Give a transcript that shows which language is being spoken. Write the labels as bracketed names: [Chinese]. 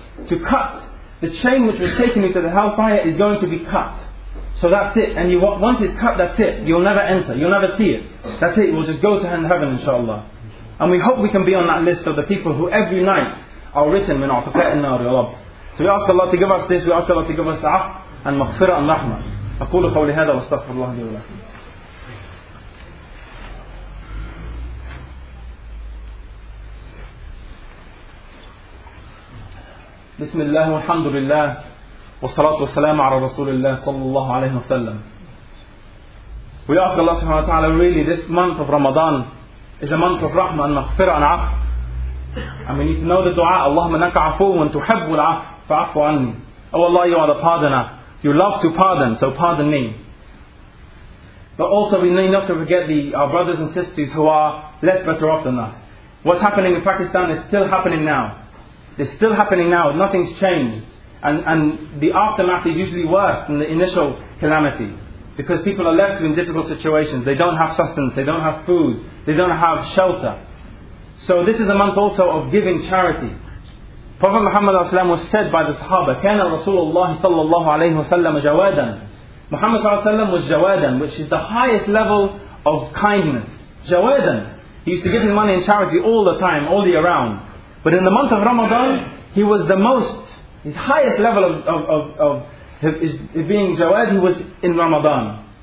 [English] To cut, the chain which was taking you to the hellfire is going to be cut. So that's it. And you once it's cut, that's it. You'll never enter. You'll never see it. That's it. We'll just go to heaven, inshaAllah. And we hope we can be on that list of the people who every night are written [Arabic] مِنْ عَطَفَىٰ النَّارِ [English] Allah. So we ask Allah to give us this. We ask Allah to give us the عَفْءَ and مَغْفِرَ and رَحْمَةً. [Arabic] أقول قولي هذا واستغفر الله لي ولكم. بسم الله والحمد لله والصلاة والسلام على رسول الله صلى الله عليه وسلم. [English] We ask Allah subhanahu wa ta'ala, really this month of Ramadan is a month of rahmah and maghfirah and af. And we need to know the dua, [Arabic] Allahumma naka afuwan tuhibbu al-af, fa'afu anni. [English] Oh Allah, you are the pardoner. You love to pardon, so pardon me. But also we need not to forget our brothers and sisters who are less better off than us. What's happening in Pakistan is still happening now. It's still happening now, nothing's changed. And the aftermath is usually worse than the initial calamity. Because people are left in difficult situations. They don't have sustenance, they don't have food, they don't have shelter. So this is a month also of giving charity. Prophet Muhammad ﷺ was said by the Sahaba, [Arabic] كَانَ رَسُولُ اللَّهِ صَلَّى اللَّهُ عَلَيْهُ وَسَلَّمَ جَوَادًا. [English] Muhammad ﷺ was jawadan, which is the highest level of kindness. Jawadan. He used to give his money in charity all the time, all year round. But in the month of Ramadan, he was the most, his highest level of being jawad, he was in Ramadan.